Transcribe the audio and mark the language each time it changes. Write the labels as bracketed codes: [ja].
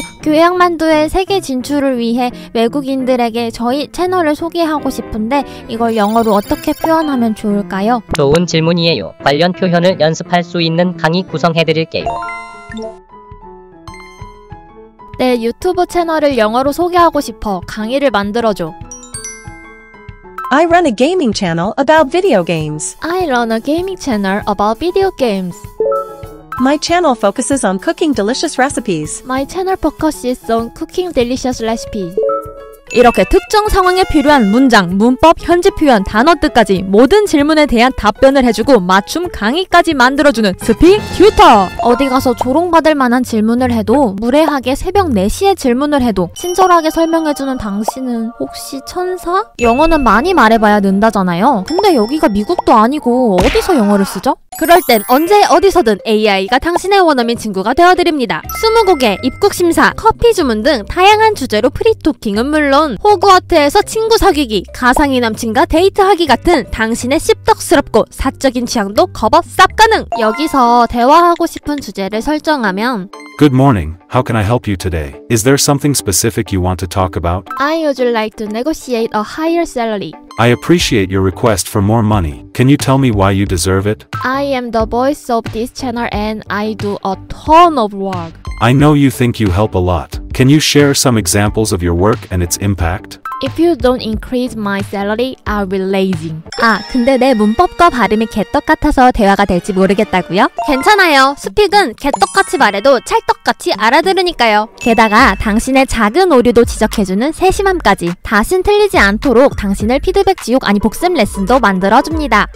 [ko] 교양만두의 세계 진출을 위해 외국인들에게 저희 채널을 소개하고 싶은데 이걸 영어로 어떻게 표현하면 좋을까요? 좋은 질문이에요. 관련 표현을 연습할 수 있는 강의 구성해드릴게요. 내 유튜브 채널을 영어로 소개하고 싶어. 강의를 만들어줘. [en] I run a gaming channel about video games. I run a gaming channel about video games. My channel focuses on cooking delicious recipes. My channel focuses on cooking delicious recipes. [ko] 이렇게 특정 상황에 필요한 문장, 문법, 현지 표현, 단어들까지 모든 질문에 대한 답변을 해주고 맞춤 강의까지 만들어주는 스픽 튜터! 어디 가서 조롱받을 만한 질문을 해도, 무례하게 새벽 4시에 질문을 해도 친절하게 설명해주는 당신은 혹시 천사? 영어는 많이 말해봐야 는다잖아요. 근데 여기가 미국도 아니고 어디서 영어를 쓰죠? 그럴 땐 언제 어디서든 AI가 당신의 원어민 친구가 되어드립니다. 20곡의 입국 심사, 커피 주문 등 다양한 주제로 프리토킹은 물론 호그와트에서 친구 사귀기, 가상의 남친과 데이트하기 같은 당신의 씹덕스럽고 사적인 취향도 커버 쌉 가능! 여기서 대화하고 싶은 주제를 설정하면 [en] Good morning. How can I help you today? Is there something specific you want to talk about? I would like to negotiate a higher salary. I appreciate your request for more money. Can you tell me why you deserve it? I am the voice of this channel and I do a ton of work. I know you think you help a lot. Can you share some examples of your work and its impact? If you don't increase my salary, I'll be lazy. [ko] 아, 근데 내 문법과 발음이 개떡같아서 대화가 될지 모르겠다고요? 괜찮아요. 스픽은 개떡같이 말해도 찰떡같이 알아들으니까요. 게다가 당신의 작은 오류도 지적해주는 세심함까지. 다신 틀리지 않도록 당신을 피드백 지옥 아니 복습 레슨도 만들어줍니다.